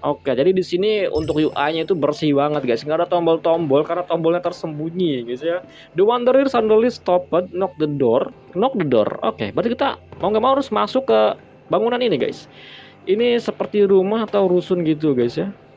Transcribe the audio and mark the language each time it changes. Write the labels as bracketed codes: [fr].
[id] Oke, jadi di sini untuk UI-nya itu bersih banget guys. Nggak ada tombol-tombol karena tombolnya tersembunyi guys ya. [en] The wanderer suddenly stopped, knocked the door. Knocked the door. [id] Oke, berarti kita mau nggak mau harus masuk ke bangunan ini guys. Ini seperti rumah atau rusun gitu guys ya.